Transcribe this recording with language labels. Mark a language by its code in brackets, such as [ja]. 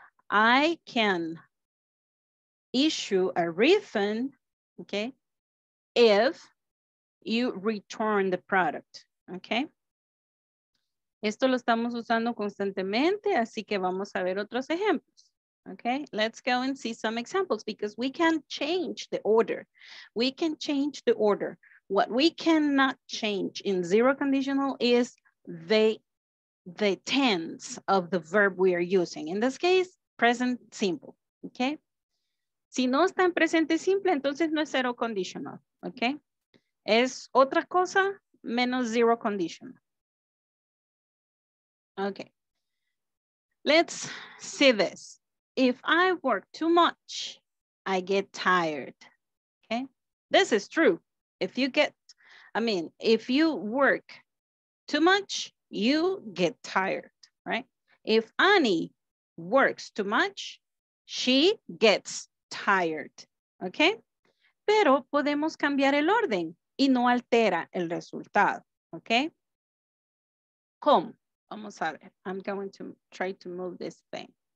[en] I can issue a refund, okay? If you return the product, okay? [es] Esto lo estamos usando constantemente, así que vamos a ver otros ejemplos. [en] Okay, let's go and see some examples because we can change the order. We can change the order. What we cannot change in zero conditional is the tense of the verb we are using. In this case, present simple. [es] Okay, si no está en presente simple, entonces no es zero conditional. Okay, es otra cosa menos zero conditional. [en] Okay, let's see this. If I work too much, I get tired, okay? This is true. If you get, I mean, if you work too much, you get tired, right? If Annie works too much, she gets tired, okay? [es] Pero podemos cambiar el orden y no altera el resultado, okay? ¿Cómo? Vamos a ver. [en] I'm going to try to move this thing.